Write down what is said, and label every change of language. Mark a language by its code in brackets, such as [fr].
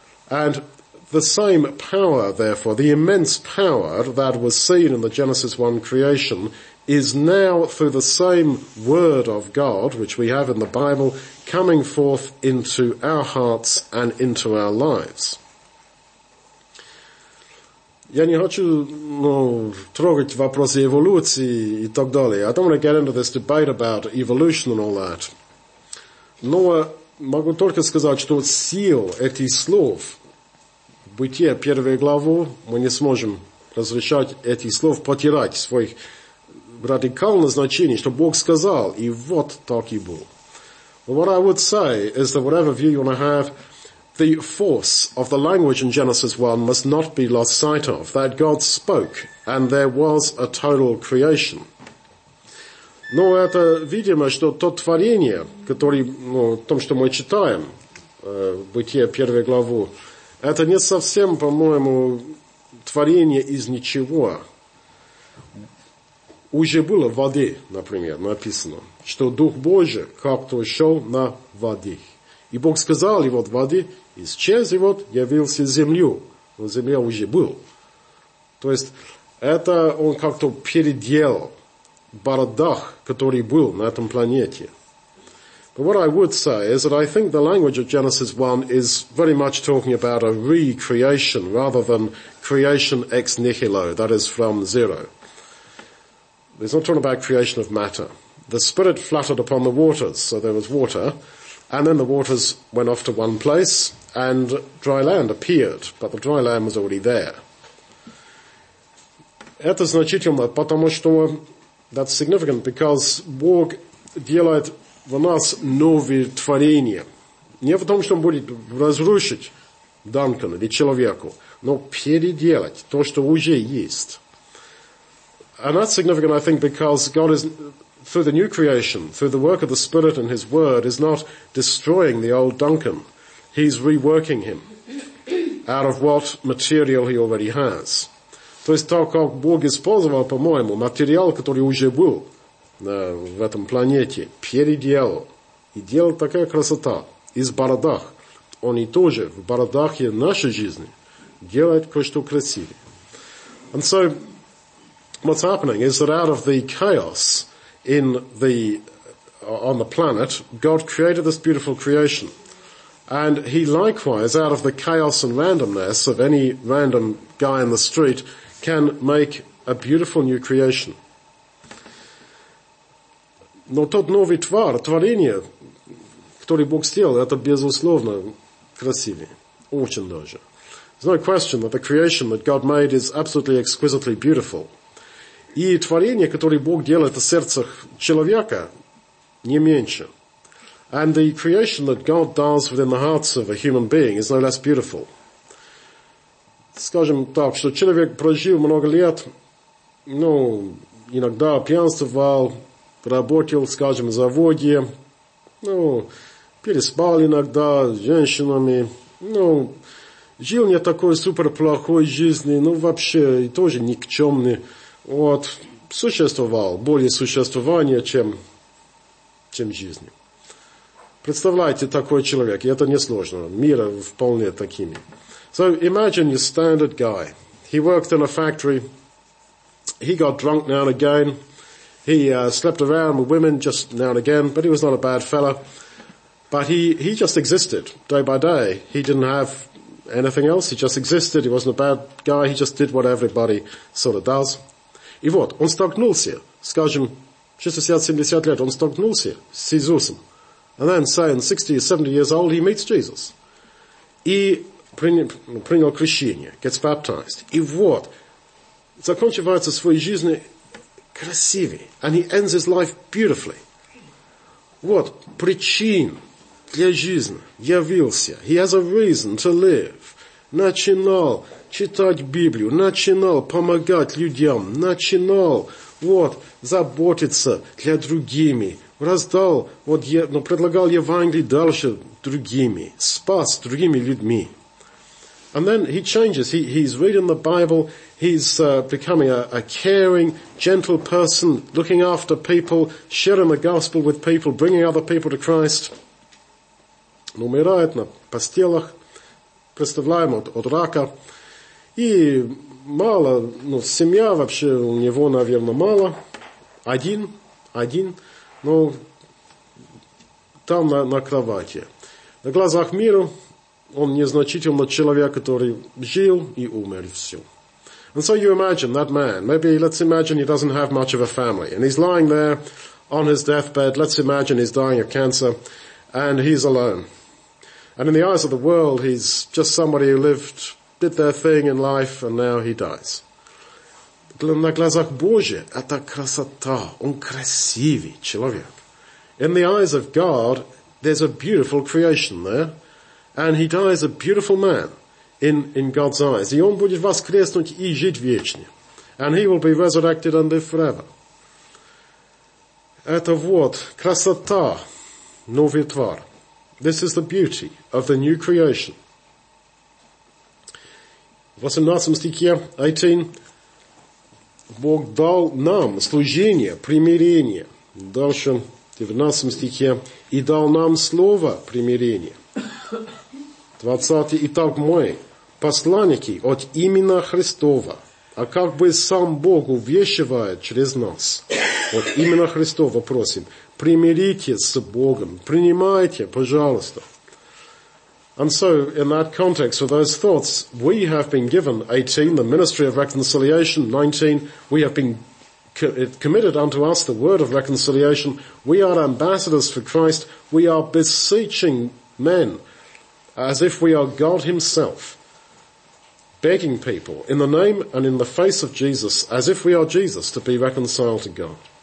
[en] And the same power, therefore, the immense power that was seen in the Genesis 1 creation is now, through the same word of God, which we have in the Bible, coming forth into our hearts and into our lives. [ru] Я не хочу, ну, трогать вопросы эволюции и так далее. [en] I don't want to get into this debate about evolution and all that. [ru] Но могу только сказать, что сил этих слов, Бытие, первую главу, мы не сможем разрешать этих слов потерять своих радикальное значение, что Бог сказал, и вот так и был. [en] But what I would say is that whatever view you want to have, the force of the language in Genesis 1 must not be lost sight of, that God spoke, and there was a total creation. [ru] Но это видимо, что то творение, которое, ну, том, что мы читаем, Бытие, первую главу, это не совсем, по-моему, творение из ничего. Уже было в воде, например, написано, что Дух Божий как-то шел на воде. И Бог сказал, и вот воды исчез, и вот явился землю. Но земля уже была. То есть это он как-то переделал бардак, который был на этом планете. [en] But what I would say is that I think the language of Genesis 1 is very much talking about a recreation rather than creation ex nihilo, that is from zero. It's not talking about creation of matter. The Spirit fluttered upon the waters, so there was water. And then the waters went off to one place, and dry land appeared, but the dry land was already there. [ru] Это значительно, потому что [en] that's significant, because [ru] Бог делает в нас новые творения. Не в том, что он будет разрушить Данкана или человеку, но переделать то, что уже есть. [en] And that's significant, I think, because God is, through the new creation, through the work of the Spirit and His Word, is not destroying the old Duncan. He's reworking him out of what material he already has. [ru] То есть, так как Бог использовал, по-моему, материал, который уже был в этом планете, переделал. И делал такая красота из бородах. Он и тоже в бородахе нашей жизни делает кое-что красивее. [en] And so, what's happening is that out of the chaos in the on the planet, God created this beautiful creation. And he likewise, out of the chaos and randomness of any random guy in the street, can make a beautiful new creation. [ru] Но тот новый твар, творение, который Бог сделал, это безусловно красивее. Очень даже. [en] There's no question that the creation that God made is absolutely exquisitely beautiful. [ru] И творение, которое Бог делает в сердцах человека, не меньше. [en] And the creation that God does within the hearts of a human being is no less beautiful. [ru] Скажем так, что человек прожил много лет, ну, иногда пьянствовал, работал, скажем, в заводе, ну, переспал иногда с женщинами, ну, жил не такой суперплохой жизни, ну, вообще, и тоже никчемный. Вот, существовал, более существование, чем жизнь. Представляете, такой человек, и это несложно, мир вполне такими. [en] So imagine your standard guy. He worked in a factory. He got drunk now and again. He slept around with women just now and again, but he was not a bad fella. But he just existed day by day. He didn't have anything else. He just existed. He wasn't a bad guy. He just did what everybody sort of does. [ru] И вот, он столкнулся, скажем, 60-70 лет, он столкнулся с Иисусом. [en] And then, say, in 60 or 70 years old, he meets Jesus. [ru] И принял крещение, [en] gets baptized. [ru] И вот, закончивается своей жизни красивее. [en] And he ends his life beautifully. [ru] Вот, причин для жизни явился. [en] He has a reason to live. [ru] Начинал читать Библию, начинал помогать людям, начинал вот заботиться для другими, раздал, вот ну, предлагал Евангелие дальше другими, спас другими людьми. [en] And then he changes. He's reading the Bible. He's becoming a caring, gentle person, looking after people, sharing the gospel with people, bringing other people to Christ. [ru] Он умирает на постелях. Представляем, от рака. И мало, ну, семья вообще у него, наверное, мало. Один. Ну, там на кровати. На глазах мира он незначительно человек, который жил и умер, и все. [en] And so you imagine that man. Maybe let's imagine he doesn't have much of a family. And he's lying there on his deathbed. Let's imagine he's dying of cancer. And he's alone. And in the eyes of the world, he's just somebody who lived, did their thing in life, and now he dies. [ru] На глазах Божьи это красота, он красивый человек. [en] In the eyes of God, there's a beautiful creation there, and he dies a beautiful man in God's eyes. [ru] И он будет воскреснуть и жить вечно. [en] And he will be resurrected and live forever. [ru] Это вот красота, новый твар. [en] This is the beauty of the new creation. [ru] В 18 стихе, 18, Бог дал нам служение, примирение. Дальше, в 19 стихе, и дал нам слово примирения. 20, итак мы, посланники от имени Христова, а как бы сам Бог увещевает через нас, от имени Христова просим, примирите с Богом, принимайте, пожалуйста. [en] And so, in that context, with those thoughts, we have been given, 18, the ministry of reconciliation, 19, we have been committed unto us the word of reconciliation. We are ambassadors for Christ. We are beseeching men as if we are God himself, begging people in the name and in the face of Jesus, as if we are Jesus, to be reconciled to God.